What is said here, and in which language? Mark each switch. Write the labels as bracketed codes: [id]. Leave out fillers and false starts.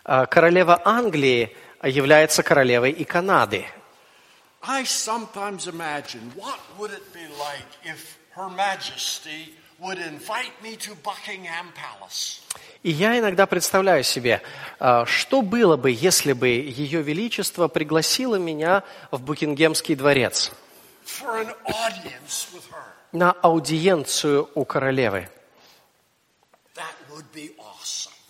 [ru] Королева Англии является королевой и Канады. [en] I sometimes imagine what would it be like if Her Majesty would invite me to Buckingham Palace. [ru] И я иногда представляю себе, что было бы, если бы Ее Величество пригласило меня в Букингемский дворец. [en] For an audience with her. [ru] На аудиенцию у королевы. [en] That would be awesome.